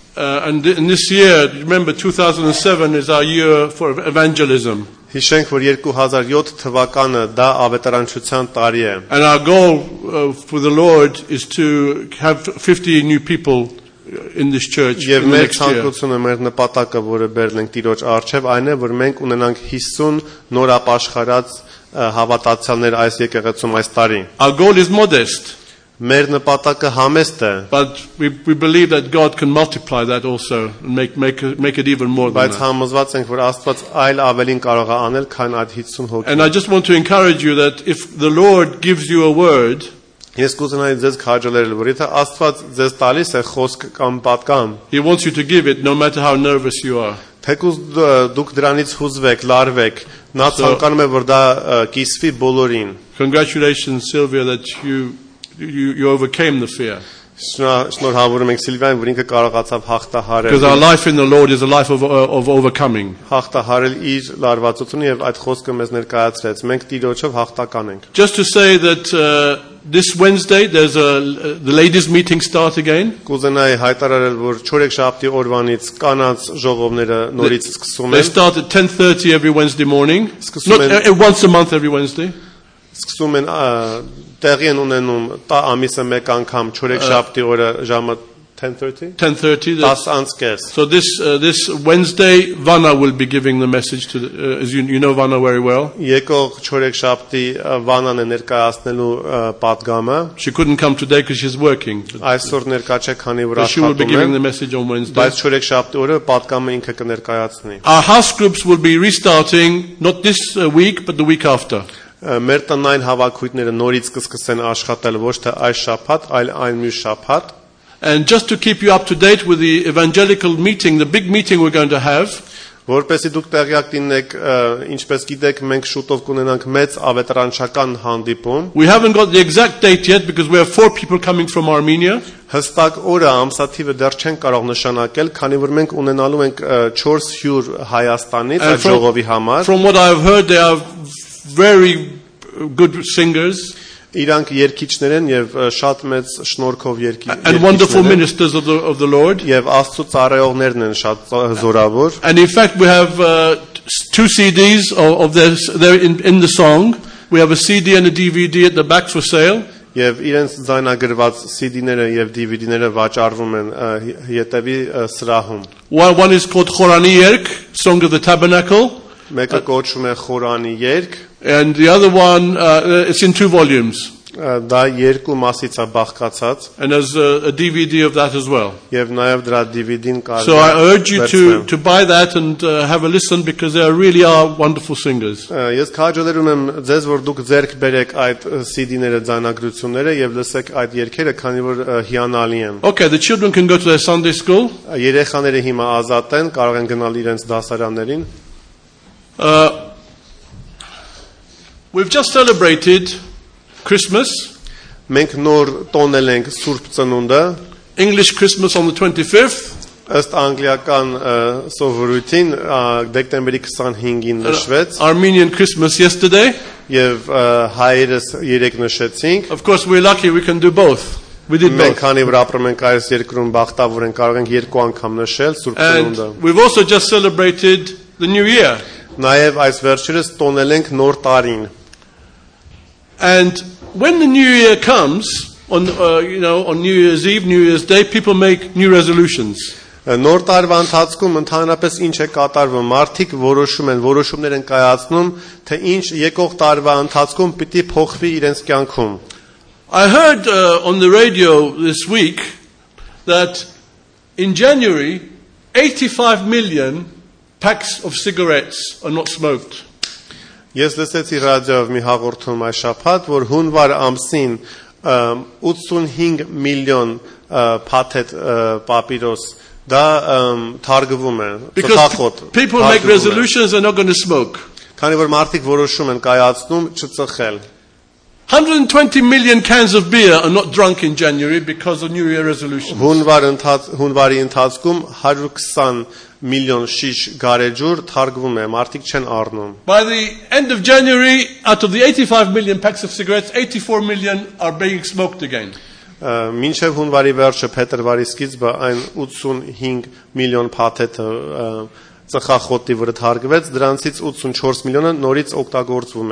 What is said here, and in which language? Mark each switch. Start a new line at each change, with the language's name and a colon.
English: And this year, remember, 2007 is our year for evangelism.
Armenian: Հիշենք, որ 2007 թվականը դա ավետարանչության տարի է.
English: And our goal for the Lord is to have 50 new people in this church in the next year.
Armenian: Եվ մեր ցանկությունը, մեր նպատակը, որը բերենք Տիրոջ արչև, այն է, որ մենք ունենանք 50 նոր ապաշխարած հավատացյալներ այս եկեղեցում այս տարի.
English: Our goal is modest.
Armenian: Մեր նպատակը համեստ է.
English: But we believe that God can multiply that also and make it even more than that.
Armenian: Բայց համոզված ենք, որ Աստված այլ ավելին կարող է անել, քան այդ 50 հոգի։
English: And I just want to encourage you that if the Lord gives you a word,
Armenian: ես կուզենայի ձեզ քաջալերել, որ եթե Աստված ձեզ տալիս է խոսք կամ պատկան,
English: He wants you to give it no matter how nervous you are.
Armenian: Թեկուզ դուք դրանից հուզվեք, լարվեք, նա ցանկանում է, որ դա կիսվի բոլորին.
English: Congratulations, Sylvia, that you overcame the fear.
Armenian: Շնորհավորում ենք Սիլվիան, որ ինքը կարողացավ հաղթահարել.
English: Because our life in the Lord is a life of overcoming.
Armenian: Հաղթահարել իր լարվածությունը եւ այդ խոսքը մեզ ներկայացրեց։ Մենք Տիրոջով հաղթական ենք.
English: Just to say that this Wednesday there's the ladies meeting start again.
Armenian: Կուզենայի հայտարարել, որ չորեքշաբթի օրվանից կանանց ժողովները նորից սկսում են։
English: They start at 10:30 every Wednesday morning. Not once a month every Wednesday.
Armenian: Սկսում են տեղի են ունենում տա ամիսը մեկ անգամ չորեքշաբթի օրը ժամը
English: 10:30
Armenian: 10 անցկես.
English: So this Wednesday Vanna will be giving the message to as you know Vanna very well.
Armenian: Եկող չորեքշաբթի Վաննան է ներկայացնելու պատգամը.
English: She couldn't come today because she's working.
Armenian: Այսօր ներկա չէ, քանի որ աշխատում է.
English: She will be giving the message on Wednesday.
Armenian: Բայց չորեքշաբթի օրը պատգամը ինքը կներկայացնի.
English: Our house groups will be restarting not this week but the week after.
Armenian: Մեր տնային հավաքույտները նորից կսկսեն աշխատել ոչ թե այս շաբաթ, այլ այն մյուս շաբաթ։
English: And just to keep you up to date with the evangelical meeting, the big meeting we're going to have,
Armenian: որպեսզի դուք տեղյակ լինեք, ինչպես գիտեք, մենք շուտով կունենանք մեծ ավետարանչական հանդիպում։
English: We haven't got the exact date yet because we have 4 people coming from Armenia.
Armenian: Հստակ օրը, ամսաթիվը դեռ չեն կարող նշանակել, քանի որ մենք ունենալու ենք 400 Հայաստանից այդ ժողովի համար։
English: From what I've heard, they are very good singers.
Armenian: Իրանք երգիչներ են եւ շատ մեծ շնորհքով երգիչներ են։
English: And wonderful ministers of the Lord.
Armenian: Եվ Աստծո ծառայողներն են շատ զորավոր։
English: And in fact we have two CDs of their in the song. We have a CD and a DVD at the back for sale.
Armenian: Եվ իրենց ձայնագրված CD-ները եւ DVD-ները վաճառվում են յետևի սրահում։
English: One is called Khorani Yerk, Song of the Tabernacle.
Armenian: Մեկը կոչվում է Խորանի երգ։
English: And the other one it's in two volumes.
Armenian: Դա երկու մասից է բաղկացած։
English: And there's a DVD of that as well.
Armenian: Եվ նաև դրա DVD-ն կա։
English: So I urge you to buy that and have a listen because they really are wonderful singers.
Armenian: Ես քաջալերում եմ ձեզ, որ դուք ձեռք բերեք այդ CD-ները, ձայնագրությունները եւ լսեք այդ երգերը, քանի որ հիանալի են։
English: Okay, the children can go to their Sunday school.
Armenian: Երեխաները հիմա ազատ են, կարող են գնալ իրենց դասարաններին։
English: We've just celebrated Christmas.
Armenian: Մենք նոր տոնել ենք Սուրբ Ծնունդը.
English: English Christmas on the 25th.
Armenian: Ըստ անգլիական սովորույթին դեկտեմբերի 25-ին նշվեց.
English: Armenian Christmas yesterday.
Armenian: Եվ հայերս երեկ նշեցինք.
English: Of course we're lucky we can do both. We did both.
Armenian: Մենք քանի որ ապրում ենք այս երկրում, բախտավոր ենք կարող ենք երկու անգամ նշել Սուրբ Ծնունդը.
English: And we've also just celebrated the new year.
Armenian: Նաև այս վերջերս տոնել ենք նոր տարին։
English: And when the new year comes on you know on New Year's Eve, New Year's Day, people make new resolutions.
Armenian: Նոր տարվա ընթացքում ընդհանրապես ինչ է կատարվում, մարդիկ որոշումներ են կայացնում, թե ինչ եկող տարվա ընթացքում պիտի փոխվի իրենց կյանքում։
English: I heard on the radio this week that in January 85 million packs of cigarettes are not smoked.
Armenian: Ես լսեցի ռադիոյով մի հաղորդում այս շաբաթ, որ հունվար ամսին 85 միլիոն փաթեթ պապիրոս դա թարգվում է ծխախոտ։
English: People make resolutions and not going to smoke.
Armenian: Քանի որ մարդիկ որոշում են կայացնում չծխել։
English: 120 million cans of beer are not drunk in January because of New Year resolutions.
Armenian: Հունվարի ընթացքում 120 միլիոն շիշ գարեջուր թարգվում է, մարդիկ չեն առնում։
English: By the end of January, out of the 85 million packs of cigarettes, 84 million are being smoked again.
Armenian: մինչև հունվարի վերջը, փետրվարի սկիզբը այն 85 միլիոն փաթեթը ծխախոտի վրա թարգվեց, դրանցից 84 միլիոնը նորից օգտագործվում